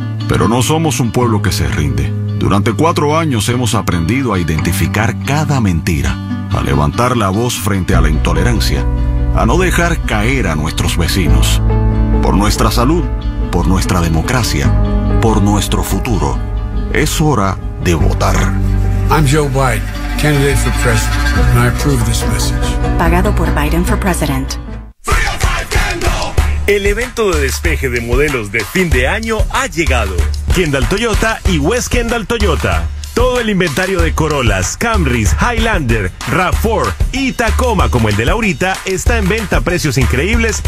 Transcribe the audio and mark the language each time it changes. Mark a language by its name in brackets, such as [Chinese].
[Spanish] Pero no somos un pueblo que se rinde. Durante 4 años hemos aprendido a identificar cada mentira, a levantar la voz frente a la intolerancia, a no dejar caer a nuestros vecinos. Por nuestra salud, por nuestra democracia, por nuestro futuro. Es hora de votar. [English] I'm Joe Biden, candidate for president, and I approve this message. [Spanish] Pagado por Biden for president. El evento de despeje de modelos de fin de año ha llegado. Kendall Toyota y West Kendall Toyota. Todo el inventario de Corollas, Camrys, Highlander, RAV4 y Tacoma, como el de Laurita, está en venta a precios increíbles.